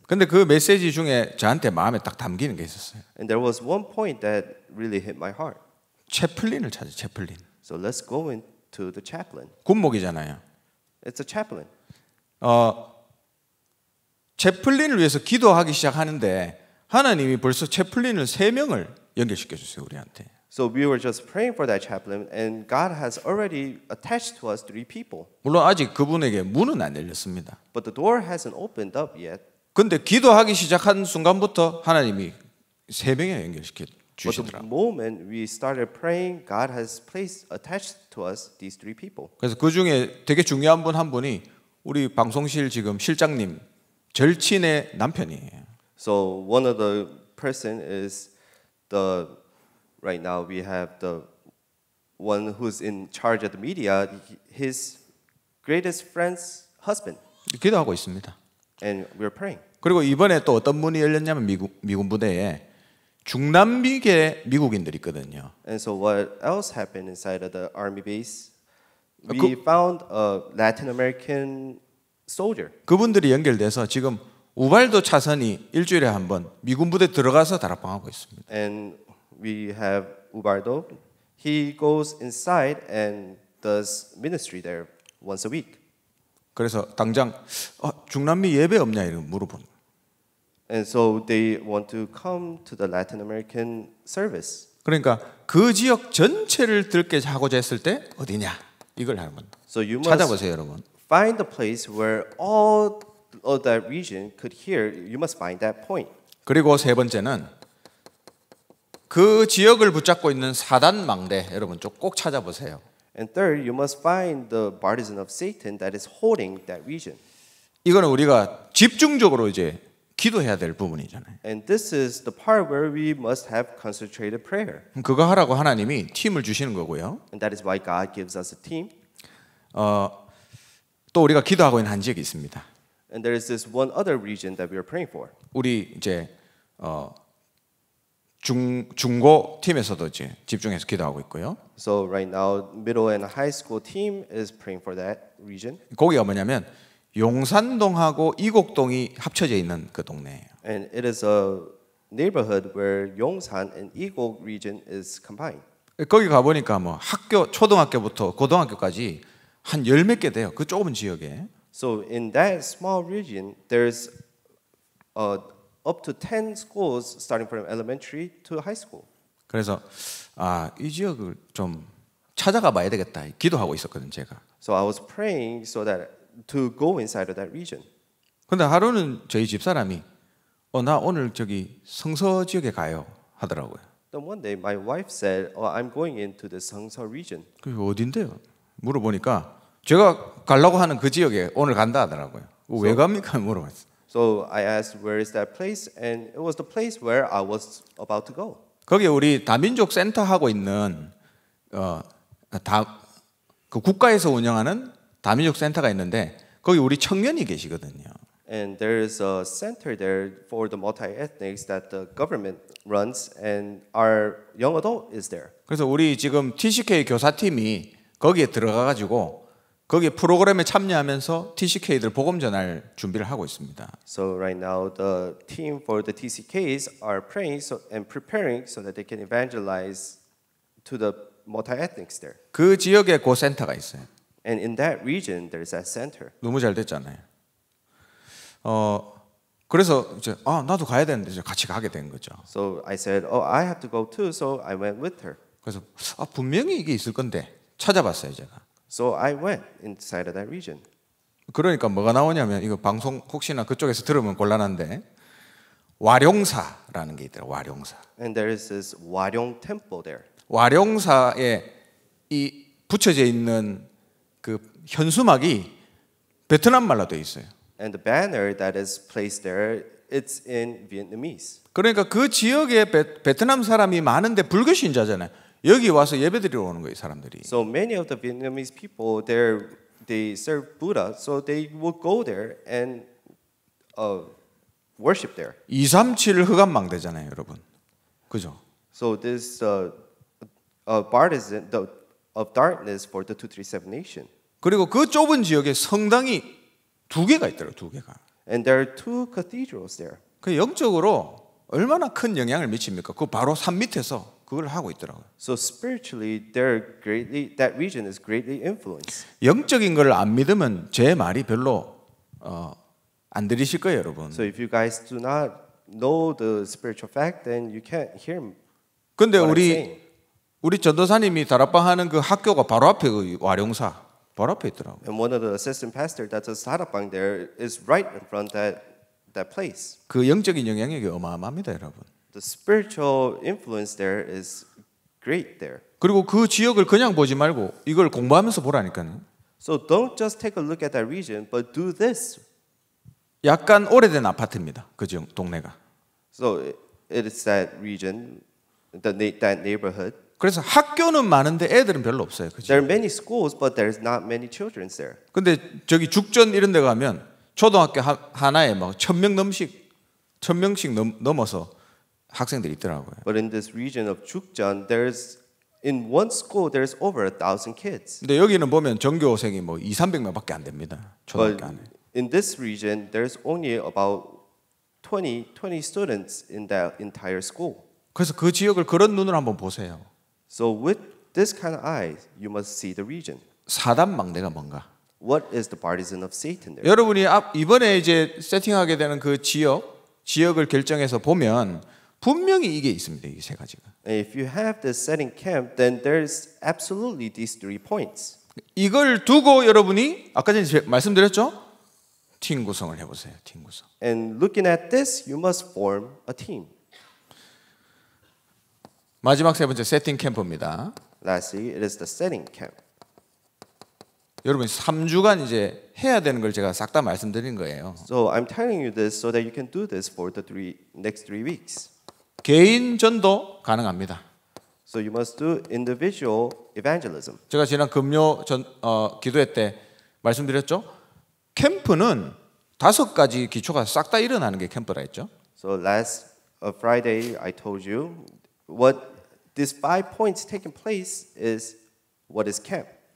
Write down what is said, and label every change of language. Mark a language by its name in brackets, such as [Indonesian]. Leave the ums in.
[Korean] 근데 그 메시지 중에 저한테 마음에 딱 담기는 게 있었어요. [English] And there was one point that really hit my heart. [Korean] 채플린을 찾아, 채플린. [English] So let's go into the chaplain. [Korean] 군목이잖아요. [English] It's a chaplain. [Korean] 어, 채플린을 위해서 기도하기 시작하는데 하나님이 벌써 채플린을 세 명을 연결시켜 주세요 우리한테. [English] So we were just praying for that chaplain, and God has already attached to us three people. [Korean] 물론 아직 그분에게 문은 안 열렸습니다. [English] But the door hasn't opened up yet. [Korean] 근데 기도하기 시작한 순간부터 하나님이 세 명에 연결시켜 주시더라고. [English] the moment we started praying, God has placed attached to us these three people. [Korean] 그래서 그 중에 되게 중요한 분 한 분이 우리 방송실 지금 실장님 절친의 남편이에요. [English] So one of the person is the right now we have the one who's in charge of the media, his greatest friend's husband. [Korean] 기도하고 있습니다. [English] And we're praying. [Korean] 그리고 이번에 또 어떤 문이 열렸냐면 미국 미군 부대에 중남미계 미국인들이 있거든요. [English] And so what else happened inside of the army base? We 그, found a Latin American soldier. [Korean] 그분들이 연결돼서 지금 우발도 차선이 일주일에 한 번 미군 부대 들어가서 다락방하고 있습니다. [English] And we have Ubaldo. He goes inside and does ministry there once a week. [Korean] 그래서 당장 어, 중남미 예배 없냐 이런 물어본. [English] And so they want to come to the Latin American service. [Korean] 그러니까 그 지역 전체를 들게 하고자 했을 때 어디냐 이걸 한번 so 찾아보세요, 여러분. [English] Find the place where all of that region could hear. You must find that point. [Korean] 그리고 세 번째는. 그 지역을 붙잡고 있는 사단 망대 여러분 좀꼭 찾아보세요. [English] And third, you must find the partisan of Satan that is holding that region. [Korean] 이거는 우리가 집중적으로 이제 기도해야 될 부분이잖아요. [English] And this is the part where we must have concentrated prayer. [Korean] 그거 하라고 하나님이 팀을 주시는 거고요. [English] And that is why God gives us a team. [Korean] 어또 우리가 기도하고 있는 한 지역이 있습니다. [English] And there is this one other region that we are praying for. [Korean] 우리 이제 어중 중고 팀에서도 이제 집중해서 기도하고 있고요. [English] So right now middle and high school team is praying for that region. [Korean] 거기가 뭐냐면 용산동하고 이곡동이 합쳐져 있는 그 동네예요. [English] And it is a neighborhood where Yongsan and Igok region is combined. [Korean] 거기 가 보니까 뭐 학교 초등학교부터 고등학교까지 한열몇개 돼요. 그 좁은 지역에. [English] So in that small region, there's a up to 10 schools starting from elementary to high school. [Korean] 그래서 아, 이 지역을 좀 찾아가 봐야 되겠다. 기도하고 있었거든요, 제가. [English] So I was praying so that to go inside of that region. [Korean] 근데 하루는 저희 집 사람이 어나 오늘 저기 성서 지역에 가요 하더라고요. [English] Then one day my wife said, "Oh, I'm going into the Sangso region." [Korean] 그 어디인데요? 물어보니까 제가 가려고 하는 그 지역에 오늘 간다 하더라고요. So, 왜 갑니까? 물어봤어요. [English] So I asked, where is that place? And it was the place where I was about to go. [Korean] 거기 우리 다민족 센터 하고 있는 어, 다, 그 국가에서 운영하는 다민족 센터가 있는데 거기 우리 청년이 계시거든요. [English] And there is a center there for the multi-ethnics that the government runs, and our young adult is there. [Korean] 그래서 우리 지금 TCK 교사팀이 거기에 들어가 가지고 거기 프로그램에 참여하면서 TCK들 복음 전할 준비를 하고 있습니다. [English] So right now the team for the TCKs are praying so and preparing so that they can evangelize to the multi-ethnics there. [Korean] 그 지역에 고 센터가 있어요. [English] And in that region there is a center. [Korean] 너무 잘 됐잖아요. 어 그래서 이제 아 나도 가야 되는데 이제 같이 가게 된 거죠. [English] So I said, oh, I have to go too. So I went with her. [Korean] 그래서 아 분명히 이게 있을 건데 찾아봤어요 제가. [English] So I went inside of that region. [Korean] 그러니까 뭐가 나오냐면 이거 방송 혹시나 그쪽에서 들으면 곤란한데 와룡사라는 게 있더라. 와룡사. [English] And there is this 와룡 temple there. [Korean] 와룡사에 이 붙여져 있는 그 현수막이 베트남 말로 돼 있어요. [English] And the banner that is placed there it's in Vietnamese. [Korean] 그러니까 그 지역에 베, 베트남 사람이 많은데 불교 신자잖아요. 여기 와서 예배드리러 오는 거예요, 사람들이. [English] So many of the Vietnamese people they they serve Buddha, so they will go there and uh, worship there. [Korean] 237 흑암망대잖아요, 여러분. 그죠? [English] So this uh, a partisan the of darkness for the 237 nation. [Korean] 그리고 그 좁은 지역에 성당이 두 개가 있더라고, 두 개가. [English] And there are two cathedrals there. [Korean] 그 영적으로 얼마나 큰 영향을 미칩니까? 그 바로 산 밑에서 그걸 하고 있더라고요. [English] So spiritually, they're greatly that region is greatly influenced. [Korean] 영적인 것을 안 믿으면 제 말이 별로 어, 안 들리실 거예요, 여러분. [English] So if you guys do not know the spiritual fact, then you can't hear. [Korean] 근데 우리 우리 전도사님이 다락방 하는 그 학교가 바로 앞에 그 와룡사 바로 앞에 있더라고. [English] And one of the assistant pastor that does 다락방 there is right in front that that place. [Korean] 그 영적인 영향력이 어마어마합니다, 여러분. [English] the spiritual influence there is great there. [Korean] 그리고 그 지역을 그냥 보지 말고 이걸 공부하면서 보라니까요. [English] So don't just take a look at that region, but do this. [Korean] 약간 오래된 아파트입니다. 그 지역 동네가. [English] So it is that region, the that neighborhood. [Korean] 그래서 학교는 많은데 애들은 별로 없어요. 그치? [English] There are many schools, but there is not many children there. [Korean] 근데 저기 죽전 이런데 가면 초등학교 하, 하나에 막천명 넘씩 천 명씩 넘, 넘어서 학생들이 있더라고요. [English] But in this region of Chukjan, there's in one school there's over a thousand kids. [Korean] 근데 여기는 보면 전교생이 뭐 2, 300명밖에 안 됩니다. 초등학교 안에. [English] In this region, there's only about 20, 20 students in that entire school. [Korean] 그래서 그 지역을 그런 눈으로 한번 보세요. [English] So with this kind of eyes, you must see the region. [Korean] 사단 망대가 뭔가? [English] What is the partisan of Satan there? [Korean] 여러분이 이번에 이제 세팅하게 되는 그 지역, 지역을 결정해서 보면. 분명히 이게 있습니다. 이 세 가지가. [English] If you have the setting camp, then there's absolutely these three points. [Korean] 이걸 두고 여러분이 아까 전에 말씀드렸죠? 팀 구성을 해 보세요. 팀 구성. [English] And looking at this, you must form a team. [Korean] 마지막 세 번째 세팅 캠프입니다. [English] Lastly, it is the setting camp. [Korean] 여러분 3주간 이제 해야 되는 걸 제가 싹 다 말씀드린 거예요. [English] So I'm telling you this so that you can do this for the three next three weeks. [Korean] 개인 전도 가능합니다. [English] So you must do individual evangelism. [Korean] 제가 지난 금요 전 어, 기도회 때 말씀드렸죠. 캠프는 다섯 가지 기초가 싹 다 일어나는 게 캠프라 했죠. [English] So last Friday I told you what these five points taking place is what is camp.